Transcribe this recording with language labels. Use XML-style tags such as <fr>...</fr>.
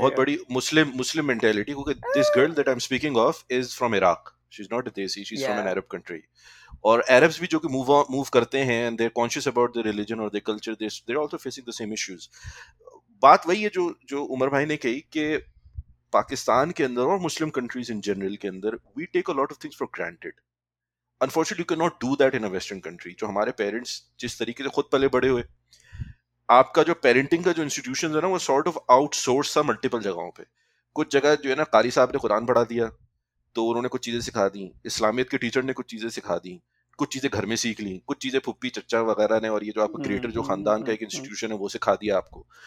<hi>बहुत बड़ी मुस्लिम मेंटेलिटी, क्योंकि</hi> <en>This girl that I am speaking of is from Iraq, she is not a desi, she is from an Arab country.</en> <hi>और Arabs भी जो कि मूव करते हैं</hi> <en>And they are conscious about their religion और their culture, they are also facing the same issues.</en> <hi>बात वही है जो उमर भाई ने कही कि पाकिस्तान के अंदर और मुस्लिम कंट्रीज इन जनरल के अंदर</hi> <en>We take a lot of things for granted. Unfortunately, you cannot do that in a Western country.</en> <hi>जो हमारे parents जिस तरीके से खुद पले बड़े हुए, आपका जो parenting का जो institutions है ना, वो sort of outsourced था multiple जगहों पे. कुछ जगह जो है ना, कारी साहब ने कुरान पढ़ा दिया तो उन्होंने कुछ चीज़ें सिखा दी, इस्लामियत के टीचर ने कुछ चीज़ें सिखा दी, कुछ चीज़ें घर में सीख ली, कुछ चीज़ें फुप्पी चच्चा वगैरह ने, और ये जो आपका ग्रेटर जो खानदान का एक इंस्टीट्यूशन है वो सिखा दिया आपको.</hi>